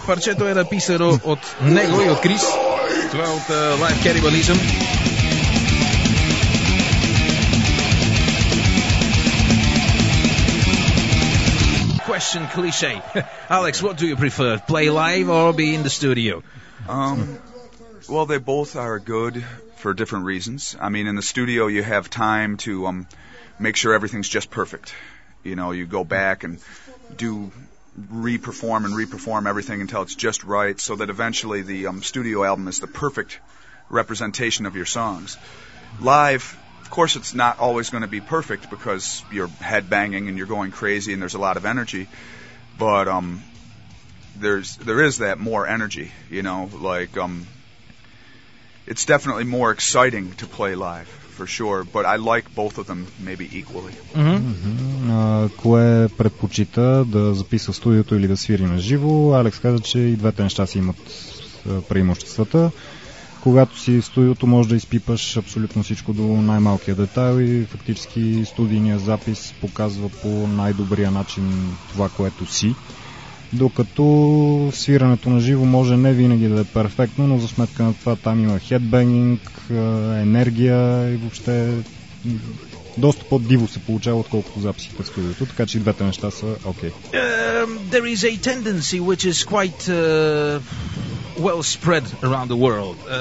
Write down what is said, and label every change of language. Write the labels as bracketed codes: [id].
[bg] Парчето е написано от него и от Крис. Това от Live Cannibalism. [en] Question cliche. Alex, what do you prefer? Play live or be in the studio? Well, they both are good for different reasons. I mean, in the studio you have time to make sure everything's just perfect. You know, you go back and do reperform everything until it's just right, so that eventually the studio album is the perfect representation of your songs. Live, of course, it's not always going to be perfect because you're head banging and you're going crazy and there's a lot of energy, but there is that more energy, you know, like it's definitely more exciting to play live. For sure, but I like both of them maybe equally. [bg] Кое предпочита, да записва в студиото или да свири на живо? Алекс каза, че и двете неща си имат преимуществата. когато си в студиото, можеш да изпипаш абсолютно всичко до най-малкия детайл и фактически студийният запис показва по най-добрия начин това, което си. Докато свирането на живо може не винаги да е перфектно, но за сметка на това там има хедбенинг, енергия и въобще доста по-диво се получава, отколкото записите в студиото, така че двете неща са окей. [en] There is a tendency which is quite well spread around the world.